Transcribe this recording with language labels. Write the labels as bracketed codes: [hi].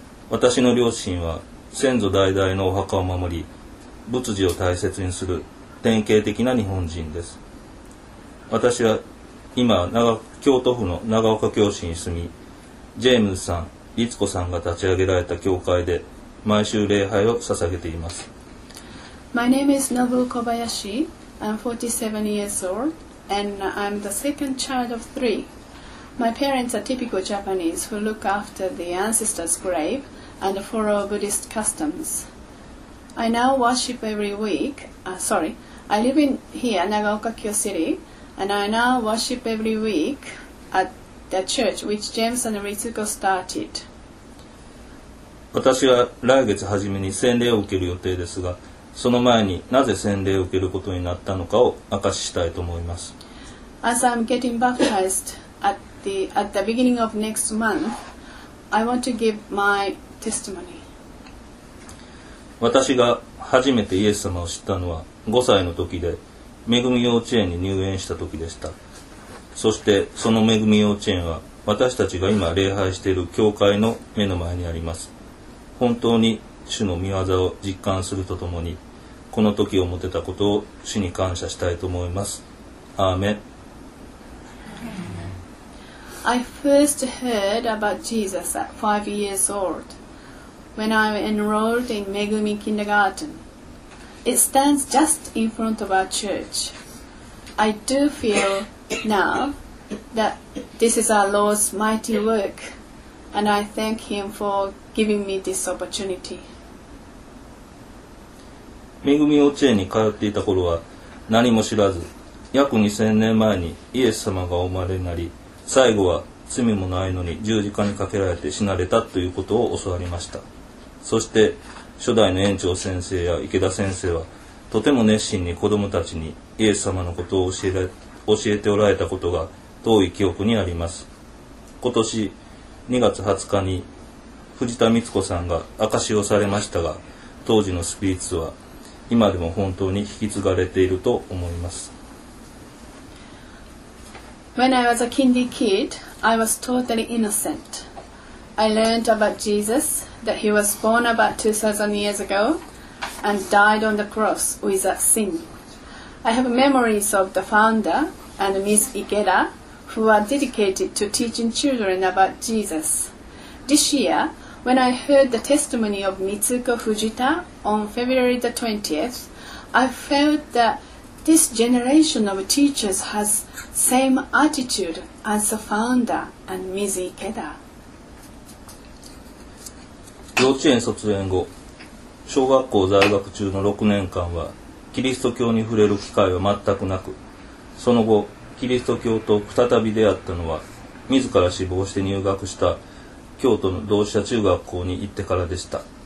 [ja] 私の両親は、先祖代々のお墓を守り、仏事を大切にする典型的な日本人です。私は今京都府の長岡教市に住み、ジェームズさん、リツコさんが立ち上げられた教会で毎週礼拝を捧げています。 [en] My name is Nobu Kobayashi. I'm 47 years old and I'm the second child of three. My parents are typical Japanese who look after the ancestors' grave and follow Buddhist customs. I now worship every week. I live in here, Nagaoka Kyo City, and I now worship every week at the church which James and Ritsuko started. [ja] 私は来月初めに洗礼を受ける予定ですが、その前になぜ洗礼を受けることになったのかを明かししたいと思います。 [en] As I'm getting baptized at the beginning of next month, I want to give my testimony. [ja] 私が初めてイエス様を知ったのは5歳の時で、恵み幼稚園に入園した時でした。そしてその恵み幼稚園は私たちが今礼拝している教会の目の前にあります。本当に主の御業を実感するとともに、この時を持てたことを主に感謝したいと思います。アーメン。 [en] I first heard about Jesus at 5 years old when I enrolled in Megumi Kindergarten. It stands just in front of our church. I do feel now that this is our Lord's mighty work, and I thank Him for giving me this opportunity. [ja] Megumi 幼稚園に通っていた頃は何も知らず、約2000年前にイエス様がお生まれになり、最後は罪もないのに十字架にかけられて死なれたということを教わりました。そして初代の園長先生や池田先生はとても熱心に子どもたちにイエス様のことを教えておられたことが遠い記憶にあります。今年2月20日に藤田光子さんが証しをされましたが、当時のスピリッツは今でも本当に引き継がれていると思います。 [en] When I was a kindy kid, I was totally innocent. I learned about JesusThat he was born about 2,000 years ago and died on the cross without sin. I have memories of the founder and Ms. Ikeda, who are dedicated to teaching children about Jesus. This year, when I heard the testimony of Mitsuko Fujita on February the 20th, I felt that this generation of teachers has same attitude as the founder and Ms. Ikeda. [ja] 幼稚園卒園後、小学校在学中の6年間はキリスト教に触れる機会は全くなく、その後キリスト教と再び出会ったのは自ら志望して入学した京都の同志社中学校に行ってからでした。